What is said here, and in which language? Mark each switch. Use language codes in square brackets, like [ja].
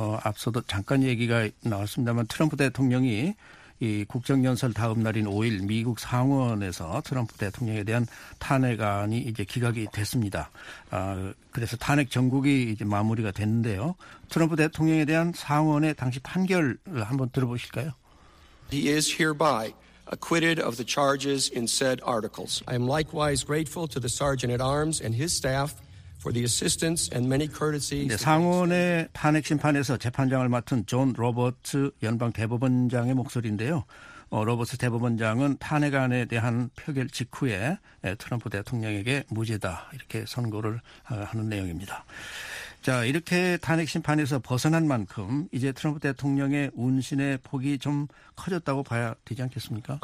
[ko] 앞서도 잠깐 얘기가 나왔습니다만 트럼프 대통령이 이 국정연설 다음 날인 5일 미국 상원에서 트럼프 대통령에 대한 탄핵안이 이제 기각이 됐습니다. 그래서 탄핵 전국이 이제 마무리가 됐는데요. 트럼프 대통령에 대한 상원의 당시 판결을 한번 들어보실까요? [en] He is hereby acquitted of the charges in said articles. I am likewise grateful to the Sergeant at Arms and his staff for the assistance and many courtesies. [ko] 네, 상원의 탄핵 심판에서 재판장을 맡은 존 로버츠 연방 대법원장의 목소리인데요. 로버츠 대법원장은 탄핵안에 대한 표결 직후에 트럼프 대통령에게 무죄다 이렇게 선고를 하는 내용입니다. 자, 이렇게 탄핵 심판에서 벗어난 만큼 이제 트럼프 대통령의 운신의 폭이 좀 커졌다고 봐야 되지 않겠습니까?